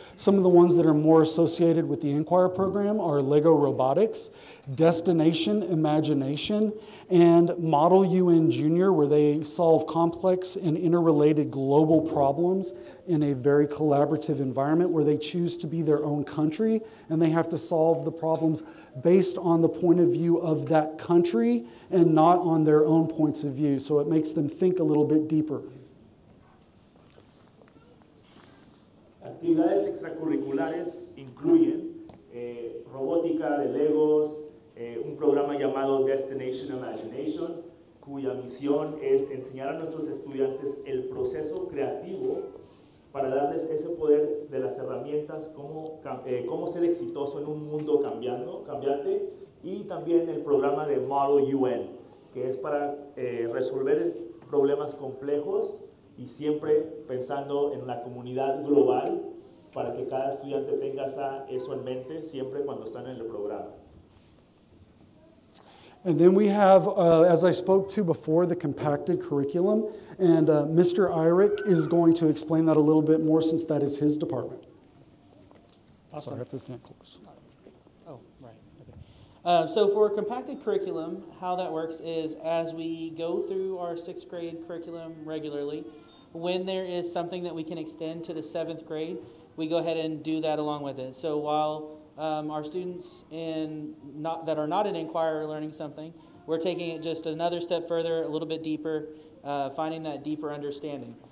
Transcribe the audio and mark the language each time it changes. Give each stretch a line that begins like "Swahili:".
English: Some of the ones that are more associated with the Inquire program are Lego Robotics, Destination Imagination, and Model UN Junior, where they solve complex and interrelated global problems in a very collaborative environment where they choose to be their own country and they have to solve the problems based on the point of view of that country and not on their own points of view. So it makes them think a little bit deeper.
Spanish: Actividades extracurriculares incluyen robótica de Legos, un programa llamado Destination Imagination, cuya misión es enseñar a nuestros estudiantes el proceso creativo para darles ese poder de las herramientas, cómo ser exitoso en un mundo cambiante, y también el programa de Model UN, que es para resolver problemas complejos y siempre pensando en la comunidad global para que cada estudiante tenga eso en mente siempre cuando están en el programa.
English: And then we have, as I spoke to before, the compacted curriculum. And Mr. Eirich is going to explain that a little bit more since that is his department. Awesome. Sorry, that's not close. Oh, right. Okay. So for compacted curriculum, how that works is as we go through our sixth grade curriculum regularly, when there is something that we can extend to the seventh grade, we go ahead and do that along with it. So while our students that are not in Inquire are learning something, we're taking it just another step further, a little bit deeper, finding that deeper understanding.